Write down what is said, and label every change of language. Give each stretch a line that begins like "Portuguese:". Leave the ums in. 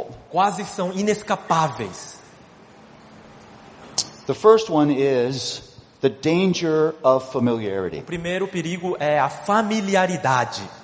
Portuguese: Quase são inescapáveis.
English: The first one is the danger of familiarity.
Portuguese: O primeiro perigo é a familiaridade.